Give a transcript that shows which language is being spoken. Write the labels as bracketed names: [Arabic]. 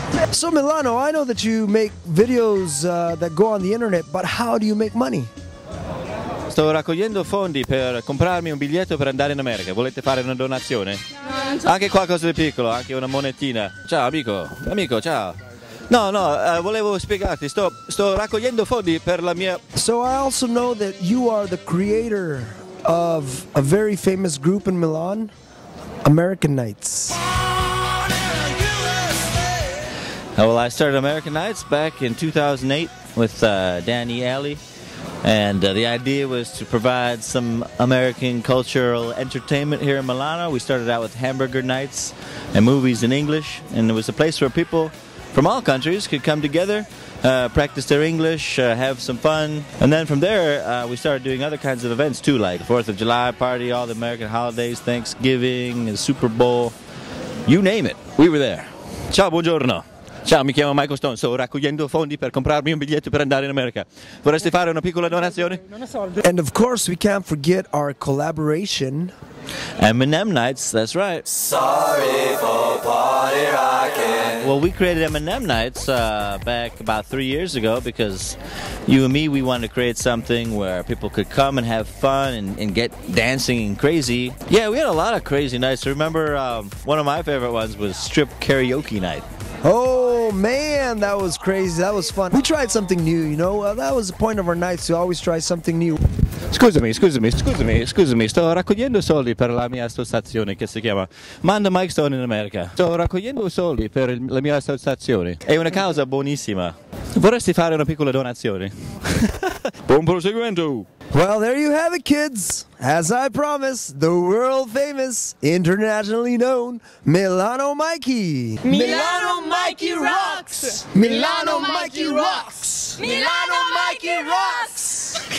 [English] So Milano, I know that you make videos that go on the internet, but how do you make money? [Italian] Sto raccogliendo fondi per comprarmi un biglietto per andare in America. Volete fare una donazione? Anche qualcosa di piccolo, anche una monetina. Ciao amico, amico, ciao. No, volevo spiegarti, sto raccogliendo fondi per la mia... [English] So I also know that you are the creator of a very famous group in Milan, AMERiCANiTES. Well, I started AMERiCANiTES back in 2008 with Danny Alley, and the idea was to provide some American cultural entertainment here in Milano. We started out with hamburger nights and movies in English, and it was a place where people from all countries could come together, practice their English, have some fun. And then from there, we started doing other kinds of events too, like 4th of July party, all the American holidays, Thanksgiving, the Super Bowl, you name it, we were there. [Italian] Ciao, buongiorno. Ciao, mi chiamo Michael Stone, sto raccogliendo fondi per comprarmi un biglietto per andare in America. Vorresti fare una piccola donazione? [English] And of course, we can't forget our collaboration. MnMnites, that's right. Sorry for party rocking. Well, we created MnMnites back about 3 years ago because you and me, we wanted to create something where people could come and have fun and get dancing and crazy. Yeah, we had a lot of crazy nights. Remember, one of my favorite ones was strip karaoke night. Oh man, that was crazy. That was fun. We tried something new, you know. That was the point of our nights, to always try something new. [Italian] Scusami, sto raccogliendo soldi per la mia associazione che si chiama Manda Mike Stone in America. Sto raccogliendo soldi per la mia associazione. È una causa buonissima. Vorresti fare una piccola donazione? Buon proseguimento! [English] Well, there you have it, kids. As I promised, the world famous, internationally known, Milano Mikey. Milano Mikey rocks! Milano Mikey rocks! Milano Mikey rocks!